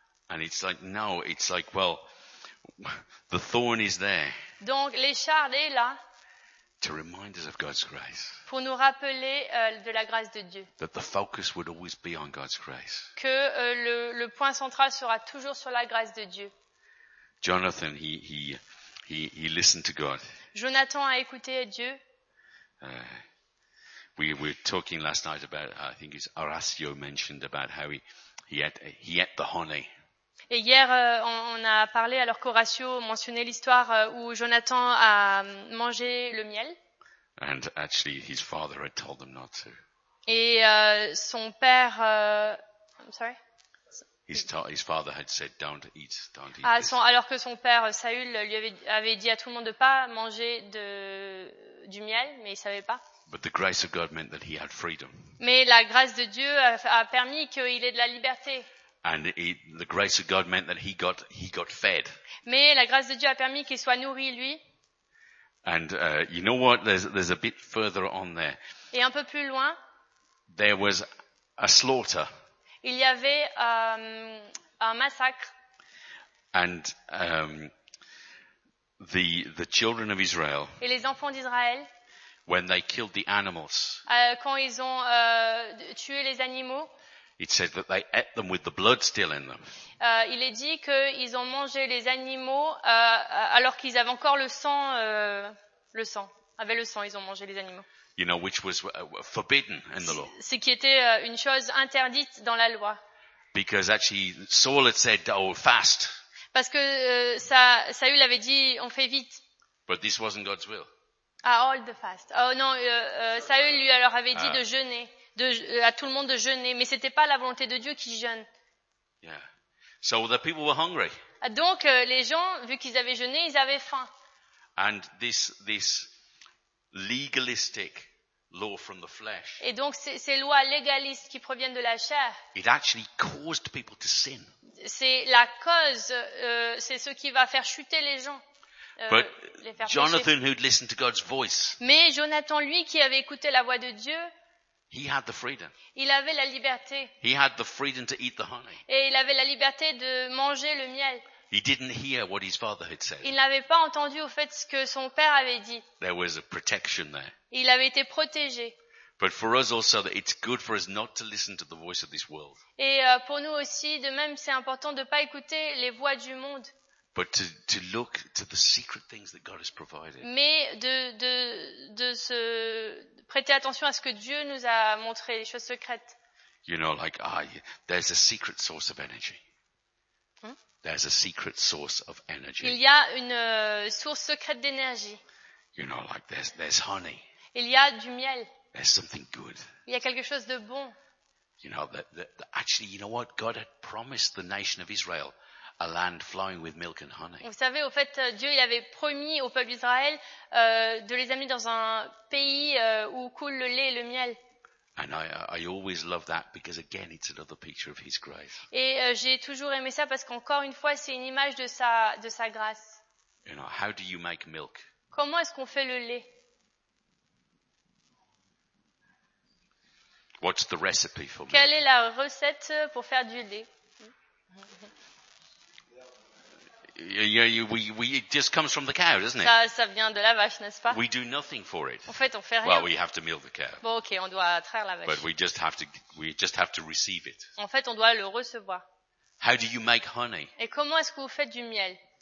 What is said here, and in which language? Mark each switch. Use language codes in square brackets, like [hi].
[en] And it's like no, it's like well, the thorn is there. [fr] Donc l'écharde est là. [en] To remind us of God's grace. [fr] Pour nous rappeler de la grâce de Dieu. [en] That the focus would always be on God's grace. [fr] Que le point central sera toujours sur la grâce de Dieu. [en] Jonathan, he listened to God. [fr] Jonathan a écouté Dieu. [en] We were talking last night about, I think it's Horacio mentioned about how he ate the honey. [fr] Et hier, on a parlé alors qu'Horatio mentionnait l'histoire où Jonathan a mangé le miel. [en] And actually, his father had told them not to. [fr] Et son père, [en] I'm sorry. His father had said, don't eat. [fr] Alors que son père Saül lui avait dit à tout le monde de pas manger du miel, mais il savait pas. [en] But the grace of God meant that he had freedom. [fr] Mais la grâce de Dieu a permis qu'il ait de la liberté. [en] And the grace of God meant that he got fed. [fr] Mais la grâce de Dieu a permis qu'il soit nourri lui. [en] And you know what? There's a bit further on there. [fr] Et un peu plus loin. [en] There was a slaughter. [fr] Il y avait un massacre. [en] And the children of Israel. [fr] Et les enfants d'Israël. [en] When they killed the animals. [fr] Quand ils ont tuer les animaux. [en] It says that they ate them with the blood still in them. [fr] Il est dit qu'ils ont mangé les animaux alors qu'ils avaient encore le sang, ils ont mangé les animaux. [en] You know, which was forbidden in the law. [fr] Ce qui était une chose interdite dans la loi. [en] Because actually Saul had said, "Oh, fast." [fr] Parce que Saül avait dit, on fait vite. [en] But this wasn't God's will. Ah, hold the fast. [fr] Oh non, Saül lui alors avait dit de jeûner, à tout le monde de jeûner, mais c'était pas la volonté de Dieu qui jeûne. [en] Yeah. So the people were hungry. [fr] Donc les gens, vu qu'ils avaient jeûné, ils avaient faim. [en] And this legalistic law from the flesh. [fr] Et donc ces lois légalistes qui proviennent de la chair. [en] It actually caused people to sin. [fr] C'est la cause, c'est ce qui va faire chuter les gens. [en] But Jonathan, who'd listened to God's voice, [fr] mais Jonathan, lui, qui avait écouté la voix de Dieu, [en] he had the freedom. [fr] Il avait la liberté. [en] He had the freedom to eat the honey. [fr] Et il avait la liberté de manger le miel. [en] He didn't hear what his father had said. [fr] Il n'avait pas entendu au fait ce que son père avait dit. [en] There was a protection there. [fr] Il avait été protégé. [en] But for us also, that it's good for us not to listen to the voice of this world. [fr] Et pour nous aussi, de même, c'est important de pas écouter les voix du monde. [en] But to look to the secret things that God has provided. [fr] Mais de se prêter attention à ce que Dieu nous a montré, les choses secrètes. [en] You know, like there's a secret source of energy. There's a secret source of energy. [fr] Il y a une source secrète d'énergie. [en] You know, like there's honey. [fr] Il y a du miel. [en] There's something good. [fr] Il y a quelque chose de bon. [en] You know, actually, you know what? God had promised the nation of Israel a land flowing with milk and honey. [fr] Vous savez, au fait, Dieu, il avait promis au peuple d'Israël de les amener dans un pays où coule le lait et le miel. [en] And I always love that because again, it's another picture of His grace. [fr] Et j'ai toujours aimé ça parce qu'encore une fois, c'est une image de sa grâce. [en] You know, how do you make milk? [fr] Comment est-ce qu'on fait le lait? [en] What's the recipe for milk? [fr] Quelle est la recette pour faire du lait? [en] We it just comes from the cow, doesn't it? [fr] Ça vient de la vache, n'est-ce pas? [en] We do nothing for it. [fr] En fait, on fait rien. [en] Well, we have to milk the cow. [fr] Bon, okay, on doit traire la vache. [en] But we just have to receive it. [fr] En fait, on doit le recevoir. [en] How do you make honey? [fr] Et comment est-ce que vous faites du miel?